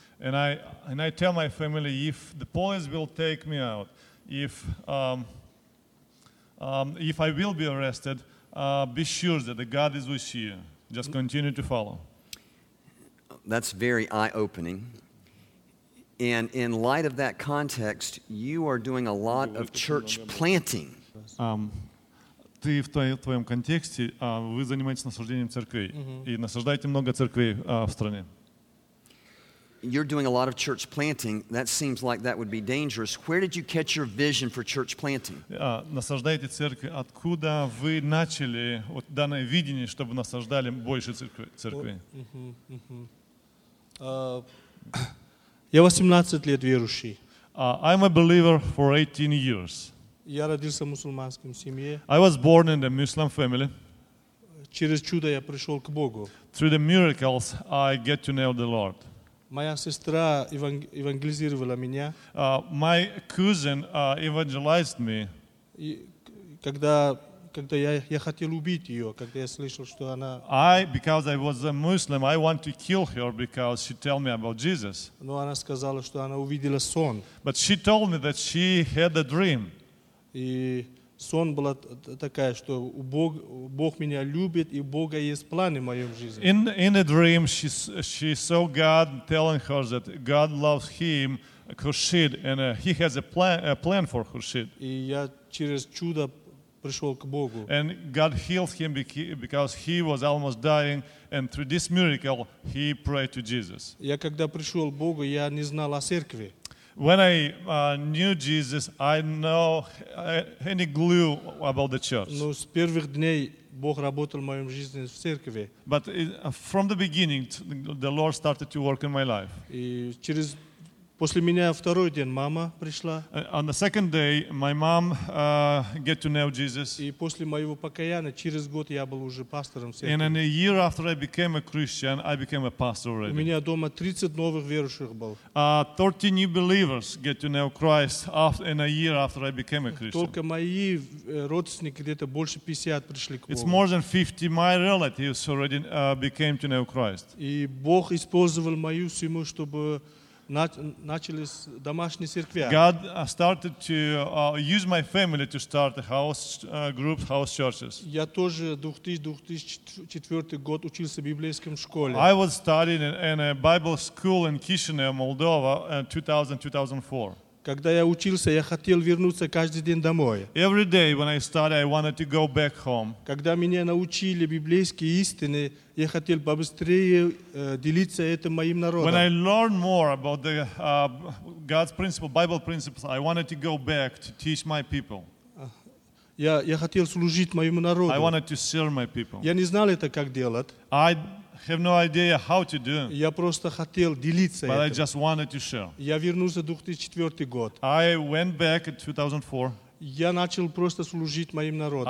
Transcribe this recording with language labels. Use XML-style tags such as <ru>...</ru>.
<en>And I tell my family, if the police will take me out, if I will be arrested, be sure that the God is with you. Just continue to follow. That's very eye-opening. And in light of that context, you are doing a lot of church planting.</en> <ru>Ты в твоем контексте, вы занимаетесь насаждением церквей. И насаждаете много церквей в стране.</ru> <en>You're doing a lot of church planting. That seems like that would be dangerous. Where did you catch your vision for church planting?</en> <ru>Насаждаете церкви. Откуда вы начали вот данное видение, чтобы насаждали больше церквей? Я 18 лет верующий.</ru> <en>I'm a believer for 18 years.</en> <ru>Я родился в мусульманском семье.</ru> <en>I was born in a Muslim family.</en> <ru>Через чудо я пришел к Богу.</ru> <en>Through the miracles, I get to know the Lord.</en> <ru>Моя сестра евангелизировала меня.</ru> <en>My cousin evangelized me.</en> <ru>когда я хотел убить ее, когда я слышал, что она.</ru> <en>Because I was a Muslim, I want to kill her because she told me about Jesus.</en> <ru>Но она сказала, что она увидела сон.</ru> <en>But she told me that she had a dream.</en> <ru>И сон была такая, что Бог меня любит и Бога есть планы в моем жизни.</ru> <en>In a dream, she saw God telling her that God loves him, Khurshid, and he has a plan for Khurshid.</en> <ru>И я через чудо пришел к Богу.</ru> <en>And God healed him because he was almost dying, and through this miracle, he prayed to Jesus.</en> <ru>Я когда пришел к Богу, я не знал о церкви.</ru> <en>When I knew Jesus, I know any clue about the church.</en> <ru>Но с первых дней Бог работал в моем жизни в церкви.</ru> <en>But from the beginning, the Lord started to work in my life.</en> <ru>И через после меня второй день мама пришла.</ru> <en>On the second day, my mom get to know Jesus.</en> <ru>И после моего покаяния через год я был уже пастором в церкви.</ru> <en>And a year after I became a Christian, I became a pastor already.</en> <ru>У меня дома 30 новых верующих был.</ru> <en>30 new believers get to know Christ after in a year after I became a Christian.</en> <ru>Только мои родственники где-то больше 50 пришли к Богу.</ru> <en>It's more than 50 my relatives already became to know Christ.</en> <ru>И Бог использовал мою семью, чтобы начались домашние церкви.</ru> <en>God started to use my family to start a house group, house churches.</en> <ru>Я тоже 2004 год учился в библейском школе.</ru> <en>I was studying in a Bible school in Chișinău, Moldova, in 2004.</en> <ru>Когда я учился, я хотел вернуться каждый день домой.</ru> <en>Every day when I studied, I wanted to go back home.</en> <ru>Когда меня научили библейские истины, я хотел побыстрее делиться этим моим народом.</ru> <en>When I learned more about the God's principle, Bible principles, I wanted to go back to teach my people.</en> <ru>Я хотел служить моему народу.</ru> <en>I wanted to serve my people.</en> <ru>Я не знал это как делать.</ru> <en>I have no idea how to do.</en> <ru>Я просто хотел делиться</ru> <en>But I just wanted to share.</en> <ru>Я вернулся в 2004 год.</ru> <en>I went back in 2004.</en> <ru>Я начал просто служить моим народу.</ru>